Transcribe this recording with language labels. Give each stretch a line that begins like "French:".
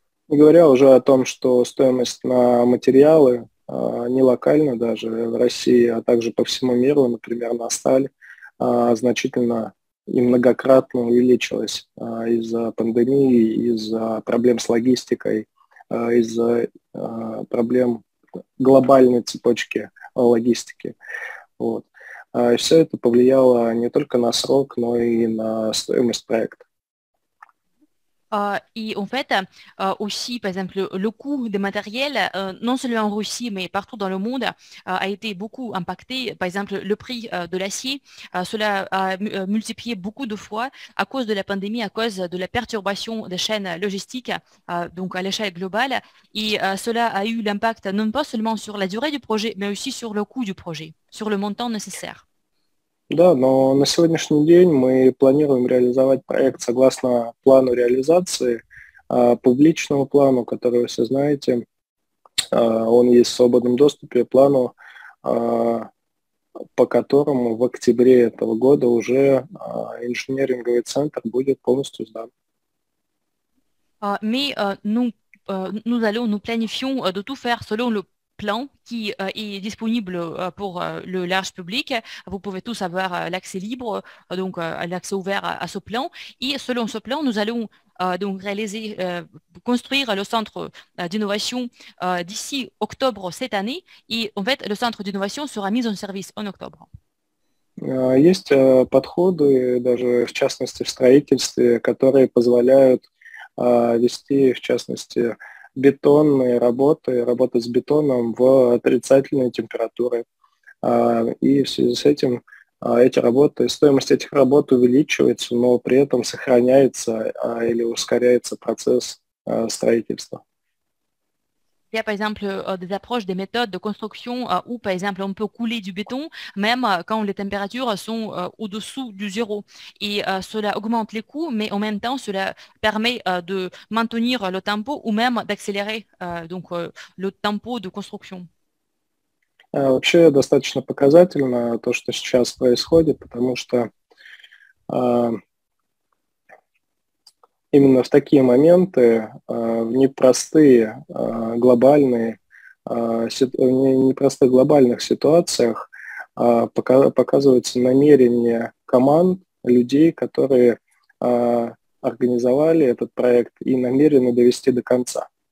Russian: Не говоря уже о том, что стоимость на материалы не локально даже в России, а также по всему миру, например, на сталь, значительно и многократно увеличилась из-за пандемии, из-за проблем с логистикой, из-за проблем глобальной цепочки логистики. Вот. Все это повлияло не только на срок, но и на стоимость проекта.
French: Et en fait, aussi, par exemple, le coût des matériels, non seulement en Russie, mais partout dans le monde, a été beaucoup impacté. Par exemple, le prix de l'acier, cela a multiplié beaucoup de fois à cause de la pandémie, à cause de la perturbation des chaînes logistiques, donc à l'échelle globale. Et cela a eu l'impact non pas seulement sur la durée du projet, mais aussi sur le coût du projet, sur le montant nécessaire.
Russian: Да, но на сегодняшний день мы планируем реализовать проект согласно плану реализации, публичному плану, который вы все знаете, он есть в свободном доступе, плану, по которому в октябре этого года уже инжиниринговый центр будет полностью сдан.
French: Mais nous allons, nous planifions de tout faire selon le plan qui est disponible pour le large public. Vous pouvez tous avoir l'accès libre, donc l'accès ouvert à ce plan. Et selon ce plan, nous allons donc réaliser, construire le centre d'innovation d'ici octobre cette année. Et en fait, le centre d'innovation sera mis en service en octobre.
Russian: Есть подходы, даже в частности в строительстве, которые позволяют вести, в частности, бетонные работы, работы с бетоном в отрицательной температуре. И в связи с этим эти работы, стоимость этих работ увеличивается, но при этом сохраняется или ускоряется процесс строительства.
French: Il y a, par exemple, des approches, des méthodes de construction où, par exemple, on peut couler du béton même quand les températures sont au-dessous du zéro. Et cela augmente les coûts, mais en même temps, cela permet de maintenir le tempo ou même d'accélérer donc le tempo de construction.
Russian: Вообще, достаточно показательно то, что сейчас происходит, потому что именно в такие моменты, в непростые глобальные, непростых глобальных ситуациях показывается намерение команд, людей, которые организовали этот проект и намерены довести до конца.